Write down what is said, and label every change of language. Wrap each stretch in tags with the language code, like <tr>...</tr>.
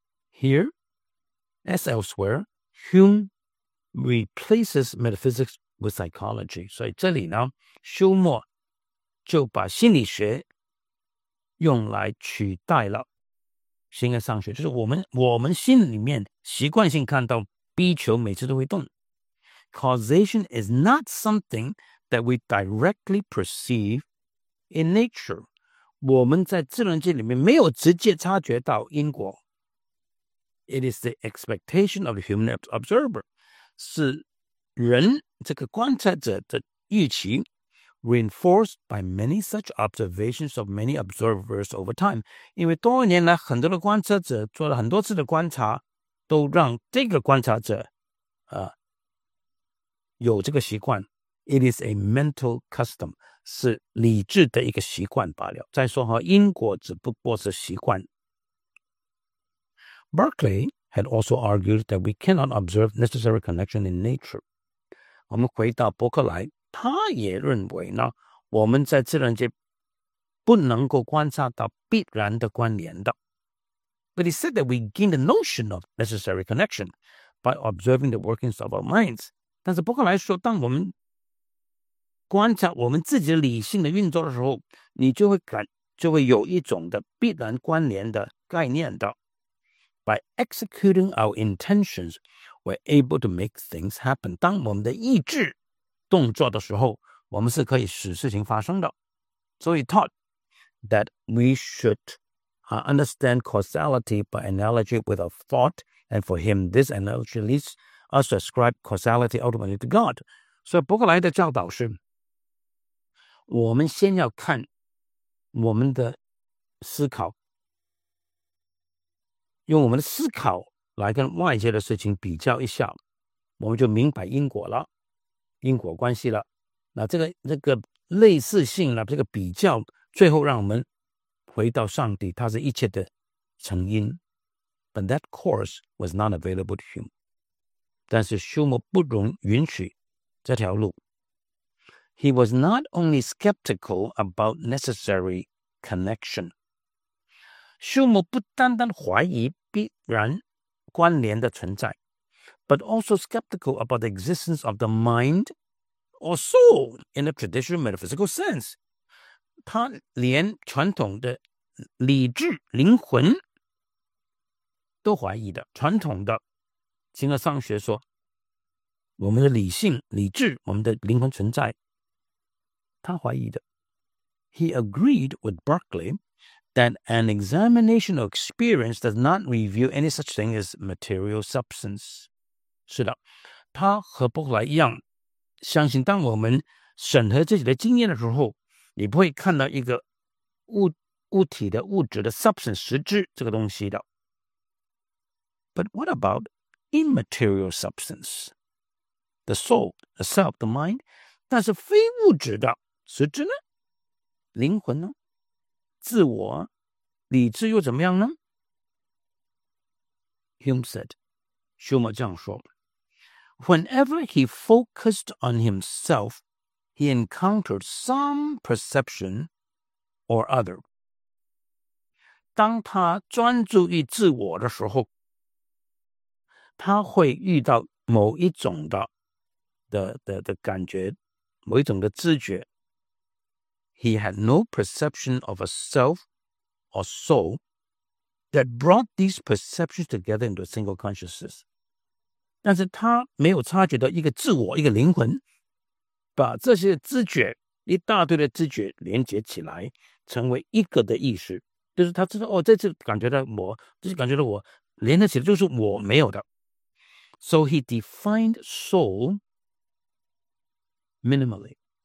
<en>Here as elsewhere, HumeReplaces metaphysics with psychology.</en> <zh>所以这里呢，休谟就把心理学用来取代了形而上学，就是我们心里面习惯性看到 B 球每次都会动。</zh> <en>Causation is not something that we directly perceive in nature.</en> <zh>我们在自然界里面没有直接察觉到因果。</zh> <en>It is the expectation of the human observer.</en> <zh>是人这个观察者的预期</zh> <en>reinforced by many such observations of many observers over time.</en> <zh>因为多年来很多的观察者做了很多次的观察都让这个观察者有这个习惯。</zh> <en>It is a mental custom.</en> <zh>是理智的一个习惯罢了。再说和因果只不过是习惯。</zh> <en>Berkeley had also argued that we cannot observe necessary connection in nature.</en> <zh>我们回到伯克莱，他也认为呢，我们在自然界不能够观察到必然的关联的。</zh> <en>But he said that we gain the notion of necessary connection by observing the workings of our minds.</en> <zh>但是伯克莱说，当我们观察我们自己理性的运作的时候，你就会有一种的必然关联的概念的。</zh> <en>By executing our intentions, we're able to make things happen.</en> <zh>当我们的意志动作的时候，我们是可以使事情发生的。</zh> <en>So he taught that we should understand causality by analogy with our thought, and for him, this analogy leads us to ascribe causality ultimately to God.</en> <zh>所以伯克莱的教导是，我们先要看我们的思考。用我们的思考来跟外界的事情比较一下，我们就明白因果了，因果关系了。那这个类似性呢，这个比较最后让我们回到上帝，他是一切的成因。</zh> <en>But that course was not available to Hume.</en> <zh>但是休谟不容允许这条路。</zh> <en>He was not only skeptical about necessary connection.</en> <zh>休谟不单单怀疑必然关联的存在</zh> <en>but also skeptical about the existence of the mind or soul in a traditional metaphysical sense.</en> <zh>他连传统的理智灵魂都怀疑的，传统的形而上学说我们的理性理智我们的灵魂存在，他怀疑的。</zh> <en>He agreed with Berkeley that an examination of experience does not reveal any such thing as material substance.</en> <zh>是的，他和伯克莱一样，相信当我们审核自己的经验的时候，你不会看到一个物体的物质的 substance 实质这个东西的。</zh> <en>But what about immaterial substance? The soul, the self, the mind,</en> <zh>那是非物质的，实质呢？灵魂呢？自我，理智又怎么样呢？</zh> <en>Hume said,</en> <zh>休谟这样说，</zh> <en>Whenever he focused on himself, he encountered some perception or other.</en> <zh>当他专注于自我的时候，他会遇到某一种的感觉，某一种的知觉。</zh> <en>He had no perception of a self or soul that brought these perceptions together into a single consciousness.</en> <zh>但是他没有察觉到一个自我，一个灵魂，把这些知觉，一大堆的知觉连接起来，成为一个的意识。就是他知道，哦，这次感觉到我，这次感觉到我，连得起来就是我没有的。</zh> <en>So he defined soul minimally.</en>